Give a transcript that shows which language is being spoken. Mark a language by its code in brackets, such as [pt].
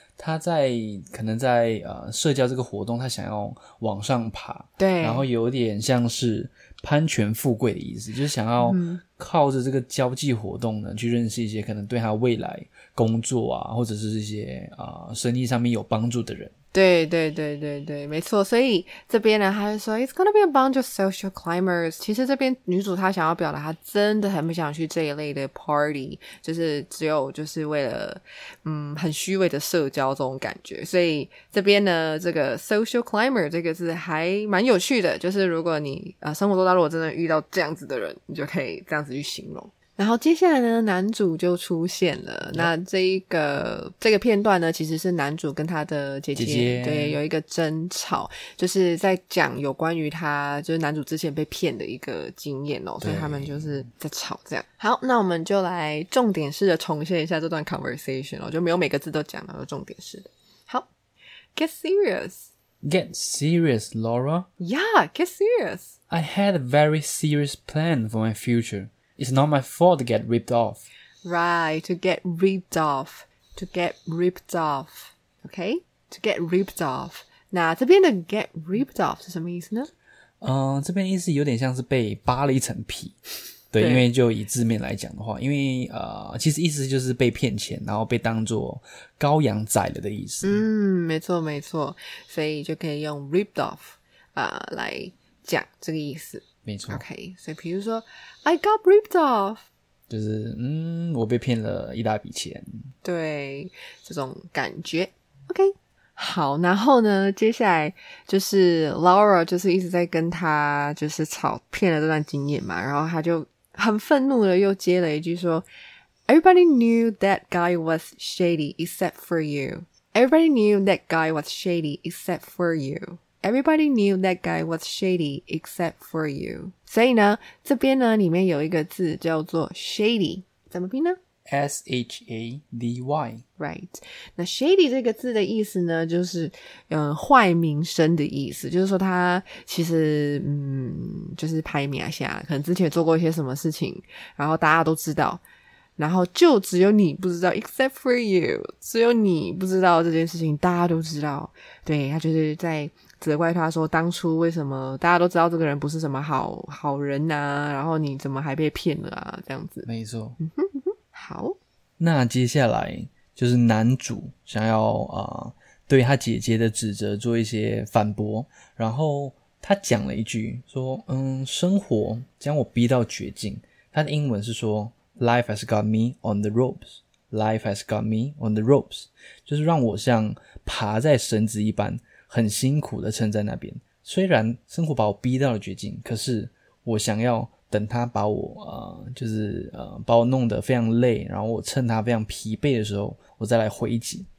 [zh] 他在可能在社交这个活动，他想要往上爬，对，然后有点像是攀权富贵的意思，就是想要靠着这个交际活动呢，去认识一些可能对他未来工作啊，或者是一些生意上面有帮助的人。对对对对对，没错。所以这边呢，他就说 [en] It's gonna be a bunch of social climbers。 [zh] 其实这边女主她想要表达她真的很不想去这一类的 party， 就是只有就是为了很虚伪的社交这种感觉。所以这边呢，这个 social climber 这个字还蛮有趣的，就是如果你生活中如果真的遇到这样子的人，你就可以这样子去形容。然后接下来呢，男主就出现了。那这个片段呢，其实是男主跟他的姐姐对有一个争吵，就是在讲有关于他就是男主之前被骗的一个经验哦，所以他们就是在吵这样。好，那我们就来重点式的重现一下这段 conversation 哦，就没有每个字都讲了，重点式的。 [en] 好 ，Get serious。 Get serious, Laura. Yeah, get serious. I had a very serious plan for my future. It's not my fault to get ripped off. Right, to get ripped off. To get ripped off. Okay? To get ripped off. [zh] 那这边的 [en] get ripped off [zh] 是什么意思呢？这边意思有点像是被扒了一层皮。对，因为就以字面来讲的话，因为其实意思就是被骗钱，然后被当作羔羊宰了的意思。没错没错。所以就可以用 ripped off, 来讲这个意思。没错。 [en] Okay, [zh] 所以比如说 [en] I got ripped off. [zh] 就是我被骗了一大笔钱。对，这种感觉。 OK, 好，然后呢，接下来就是 Laura 就是一直在跟他就是吵骗了这段经验嘛，然后他就很愤怒的又接了一句说 [en] Everybody knew that guy was shady except for you. Everybody knew that guy was shady except for you. Everybody knew that guy was shady except for you. [zh] 所以呢，这边呢，里面有一个字叫做 shady， 怎么拼呢 [en] ？shady. Right. [zh] 那 shady 这个字的意思呢，就是坏名声的意思，就是说他其实就是排名下，可能之前做过一些什么事情，然后大家都知道。然后就只有你不知道 [en] except for you [zh] 只有你不知道这件事情大家都知道，对，他就是在责怪他说当初为什么大家都知道这个人不是什么好人啊，然后你怎么还被骗了啊，这样子。没错。好，那接下来就是男主想要对他姐姐的指责做一些反驳，然后他讲了一句说生活将我逼到绝境，他的英文是说 [en] Life has got me on the ropes. Life has got me on the ropes. [zh] 就是让我像爬在绳子一般很辛苦的撑在那边。虽然生活把我逼到了绝境，可是我想要等他把我把我弄得非常累，然后我趁他非常疲惫的时候我再来回击。